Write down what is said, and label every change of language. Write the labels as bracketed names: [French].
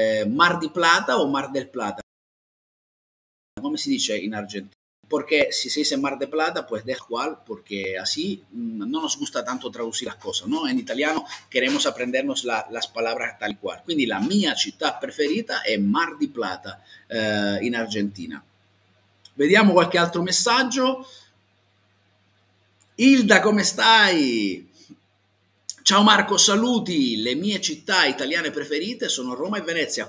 [Italian] Mar di Plata o Mar del Plata, come si dice in Argentina? Perché se si dice [Spanish] Mar de Plata, pues de cual, perché así non nos gusta tanto traducir las cosas, no? [Italian] In italiano [Spanish] queremos aprendernos las palabras tal cual. [Italian] Quindi la mia città preferita è Mar di Plata, in Argentina. Vediamo qualche altro messaggio. Hilda, come stai? Ciao Marco, saluti. Le mie città italiane preferite sono Roma e Venezia.